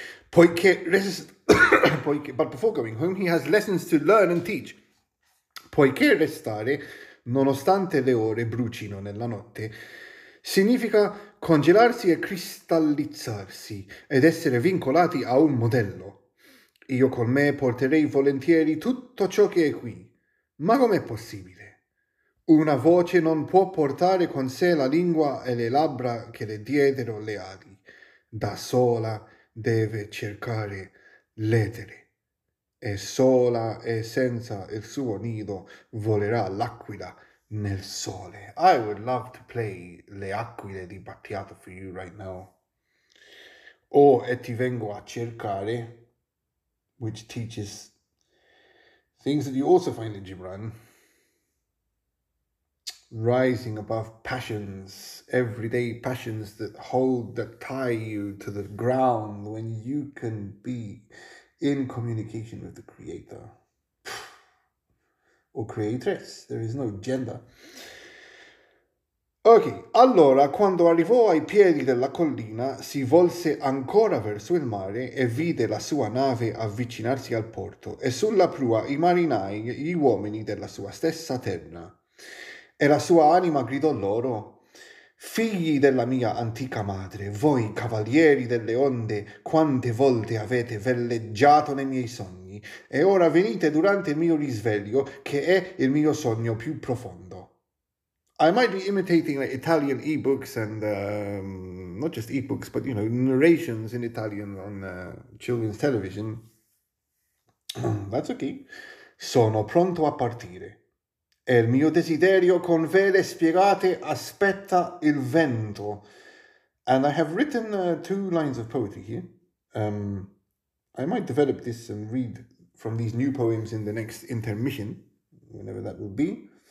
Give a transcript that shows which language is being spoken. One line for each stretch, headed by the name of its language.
English: But before going home, he has lessons to learn and teach.
Italian: Poiché restare, nonostante le ore brucino nella notte, significa congelarsi e cristallizzarsi ed essere vincolati a un modello. Io con me porterei volentieri tutto ciò che è qui. Ma com'è possibile? Una voce non può portare con sé la lingua e le labbra che le diedero le ali. Da sola deve cercare l'etere. E sola e senza il suo nido volerà l'aquila nel sole.
English: I would love to play Le Aquile di Battiato for you right now. Oh,
Italian: e ti vengo a cercare,
English: which teaches things that you also find in Gibran. Rising above passions, everyday passions that hold, that tie you to the ground when you can be in communication with the creator. Or creatress, there is no gender.
Italian: Ok, allora, quando arrivò ai piedi della collina, si volse ancora verso il mare e vide la sua nave avvicinarsi al porto e sulla prua i marinai, gli uomini della sua stessa terra. E la sua anima gridò loro: figli della mia antica madre, voi cavalieri delle onde, quante volte avete velleggiato nei miei sogni e ora venite durante il mio risveglio, che è il mio sogno più profondo.
English: I might be imitating like Italian ebooks and not just ebooks, but you know, narrations in Italian on children's television. That's okay.
Italian: Sono pronto a partire. E il mio desiderio con vele spiegate aspetta il vento.
English: And I have written two lines of poetry here. I might develop this and read from these new poems in the next intermission, whenever that will be.